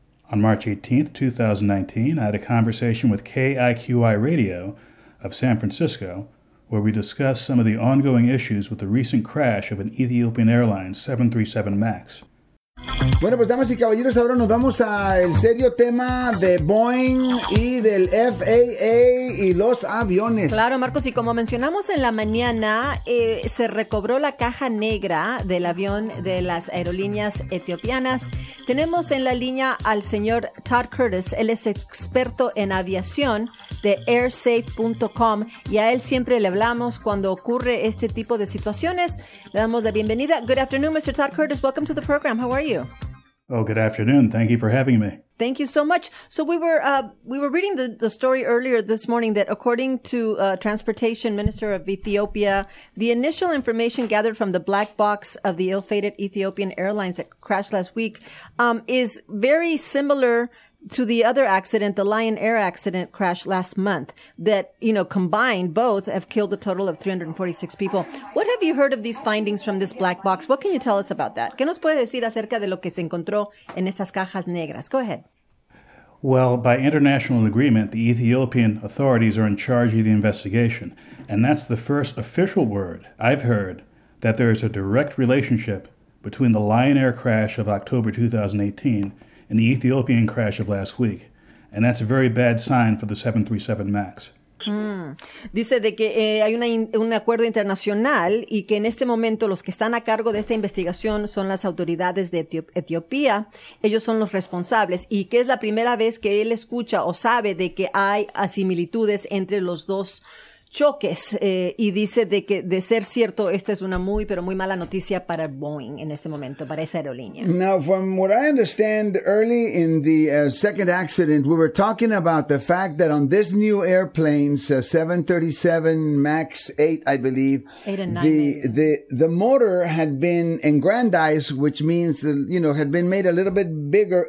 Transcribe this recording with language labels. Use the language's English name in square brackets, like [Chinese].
[English] On March 18th, 2019, I had a conversation with KIQI Radio of San Francisco, where we discussed some of the ongoing issues with the recent crash of an Ethiopian Airlines 737 MAX. [Spanish] Bueno, pues damas y caballeros, ahora nos vamos al serio tema de Boeing y del FAA y los aviones. Claro, Marcos, y como mencionamos en la mañana, se recobró la caja negra del avión de las aerolíneas etiopianas. Tenemos en la línea al señor Todd Curtis, él es experto en aviación de airsafe.com y a él siempre le hablamos cuando ocurre este tipo de situaciones. Le damos la bienvenida. [English] Good afternoon, Mr. Todd Curtis. Welcome to the program. How are you? Oh, good afternoon. Thank you for having me. Thank you so much. So we were reading the story earlier this morning that according to Transportation Minister of Ethiopia, the initial information gathered from the black box of the ill-fated Ethiopian Airlines that crashed last week is very similar to the other accident, the Lion Air accident crash last month that, you know, combined both have killed a total of 346 people. What have you heard of these findings from this black box? What can you tell us about that? [Spanish] ¿Qué nos puede decir acerca de lo que se encontró en estas cajas negras? [English] Go ahead. Well, by international agreement, the Ethiopian authorities are in charge of the investigation. And that's the first official word I've heard that there is a direct relationship between the Lion Air crash of October 2018 in the Ethiopian crash of last week. And that's a very bad sign for the 737 MAX. Mm. [Spanish] Dice de que hay un acuerdo internacional y que en este momento los que están a cargo de esta investigación son las autoridades de Etiopía. Ellos son los responsables y que es la primera vez que él escucha o sabe de que hay similitudes entre los dos choques. Y dice de que, de ser cierto, esto es una muy, pero muy mala noticia para Boeing en este momento, para esa aerolínea. [English] Now, from what I understand, early in the second accident, we were talking about the fact that on this new airplane, 737 MAX 8, I believe, 8 and 9, the motor had been aggrandized, which means, you know, had been made a little bit bigger.